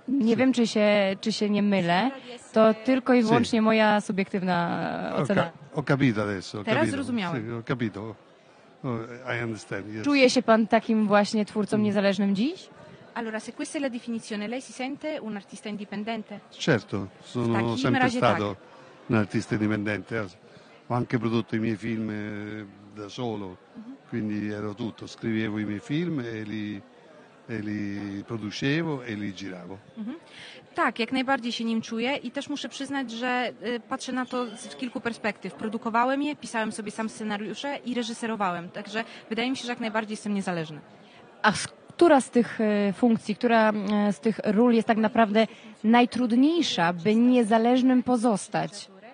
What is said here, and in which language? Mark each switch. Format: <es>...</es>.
<pl>Nie wiem, czy się nie mylę. To tylko i wyłącznie moja subiektywna ocena.</pl> <it>Ho capito adesso.</it> <pl>Teraz zrozumiałem.</pl> <it>Ho capito.</it> <en>I understand.</en> <pl>Czuje się pan takim właśnie twórcą niezależnym dziś?</pl> <it>Allora, se questa è la definizione, lei si sente un artista indipendente? Certo, sono sempre stato un artista indipendente. Ho anche prodotto i miei film da solo, quindi ero tutto. Scrivevo i miei film e li producevo e li giravo.</it> <pl>Tak, jak najbardziej się nim czuję i też muszę przyznać, że patrzę na to z kilku perspektyw. Produkowałem je, pisałem sobie sam scenariusze i reżyserowałem. Także wydaje mi się, że jak najbardziej jestem niezależny. Która z tych funkcji, która z tych ról jest tak naprawdę najtrudniejsza, by niezależnym pozostać?</pl>